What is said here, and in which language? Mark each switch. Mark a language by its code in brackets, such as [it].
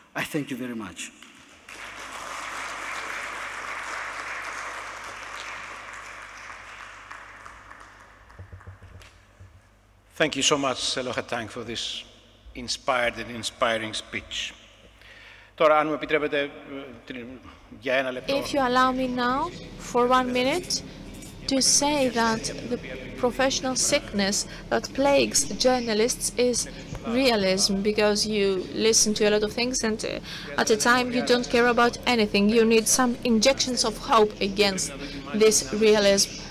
[en] I thank you very much. Thank you so much, Sello Hatang, for this inspired and inspiring speech. [el] Τώρα, αν μου επιτρέπετε για ένα λεπτό. [en] If you allow me now, for 1 minute, to say that the professional sickness that plagues journalists is realism, because you listen to a lot of things and at a time you don't care about anything. You need some injections of hope against this realism.